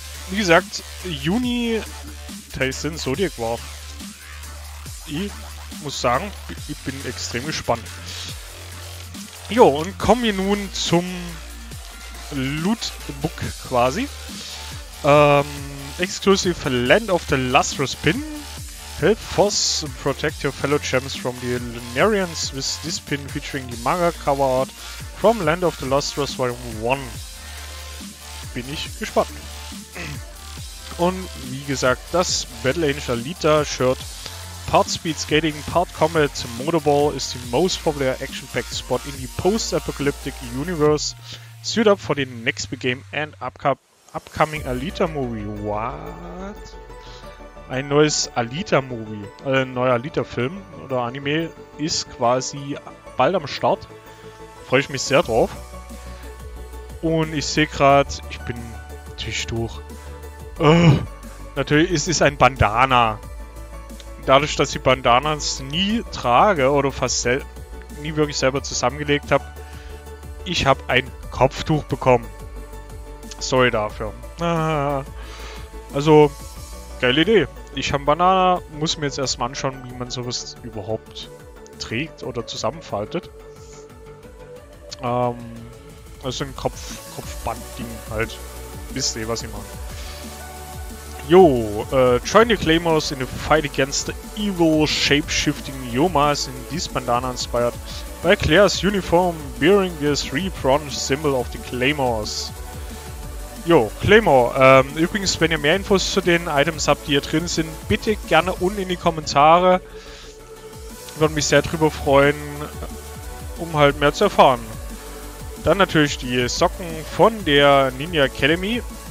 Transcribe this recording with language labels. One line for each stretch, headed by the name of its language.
German: Wie gesagt, Juni Tyson Zodiac War. Ich muss sagen, ich bin extrem gespannt. Jo, und kommen wir nun zum Lootbook quasi.
English: Exclusive Land of the Lustrous Pin. Help Force and protect your fellow champs from the Lunarians with this pin featuring the manga cover art from Land of the Lustrous Volume 1.
German: Bin ich gespannt. Und wie gesagt, das Battle Angel Alita Shirt.
English: Part Speed Skating, Part Combat, Motorball ist the most popular action-packed spot in the post-apocalyptic universe. Suit up for the next big game and upcoming Alita movie. What?
German: Ein neues Alita-Movie, also ein neuer Alita-Film oder Anime ist quasi bald am Start. Freue ich mich sehr drauf. Und ich sehe gerade, ich bin Tischtuch. Oh, natürlich ist es ein Bandana. Dadurch, dass ich Bandanas nie trage oder fast nie wirklich selber zusammengelegt habe, ich habe ein Kopftuch bekommen. Sorry dafür. Also, geile Idee. Ich habe Banana, muss mir jetzt erstmal anschauen, wie man sowas überhaupt trägt oder zusammenfaltet. Also ein Kopfbandding halt. Wisst ihr, was ich meine?
English: Jo, join the Claymores in the fight against the evil shape-shifting Yomas in this Bandana inspired by Claire's uniform bearing the three-pronged symbol of the Claymores.
German: Jo, Claymore. Übrigens, wenn ihr mehr Infos zu den Items habt, die hier drin sind, bitte gerne unten in die Kommentare. Ich würde mich sehr drüber freuen, um halt mehr zu erfahren. Dann natürlich die Socken von der Ninja Academy.